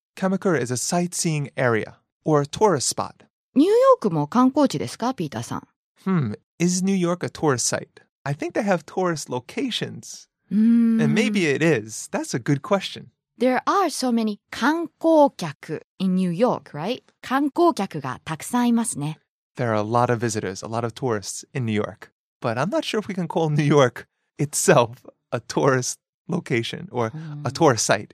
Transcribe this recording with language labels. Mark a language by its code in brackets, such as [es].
[en] Kamakura is a sightseeing area or a tourist spot. [ja] ニューヨークも観光地ですか、ピーターさん。 [en] Is New York a tourist site? I think they have tourist locations. And maybe it is. That's a good question. There are so many 観光客 in New York, right? [ja] 観光客がたくさんいますね。 [en] There are a lot of visitors, a lot of tourists in New York. But I'm not sure if we can call New York itself a tourist location or a tourist site.